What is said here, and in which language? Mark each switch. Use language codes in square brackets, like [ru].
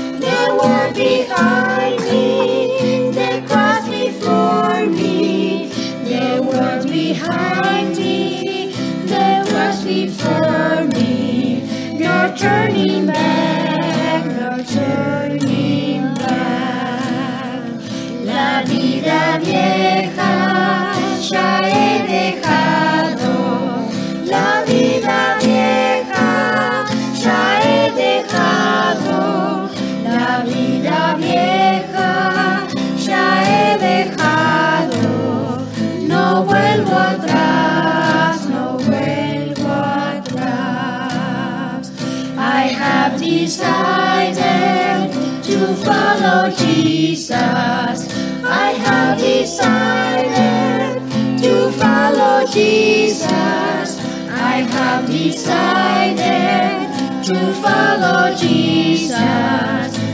[en] The world behind me, the cross before me. The world behind me, the cross before me. No turning back, no turning back. [es] La vida vieja ya he dejado. La vida vieja ya he dejado. La vida vieja ya he dejado. No vuelvo atrás, no vuelvo atrás. [en] I have decided to follow Jesus. I have decided to follow Jesus. I have decided to follow Jesus.